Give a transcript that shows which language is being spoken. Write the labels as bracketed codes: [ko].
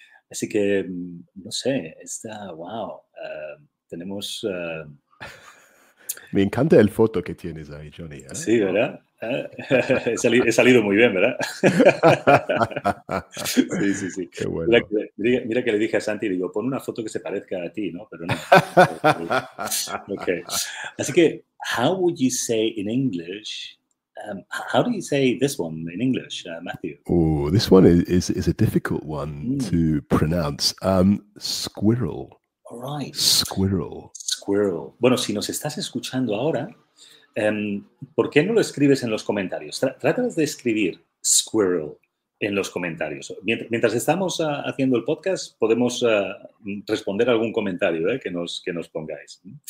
[es] Así que, no sé, está, wow, tenemos... Me encanta el foto que tienes ahí, Johnny. ¿Eh? Sí, ¿verdad? He salido muy bien, ¿verdad? Sí, sí, sí. Qué bueno. Mira que le dije a Santi, digo, pon una foto que se parezca a ti, ¿no? Pero no. Okay. Así que, [en] how would you say in English, how do you say this one in English, Matthew? Oh, this one is a difficult one to pronounce. Squirrel. All right. Squirrel. Squirrel. [es] Bueno, si nos estás escuchando ahora, ¿por qué no lo escribes en los comentarios? Trata de escribir squirrel en los comentarios. Mientras estamos haciendo el podcast, podemos responder algún comentario que nos pongáis.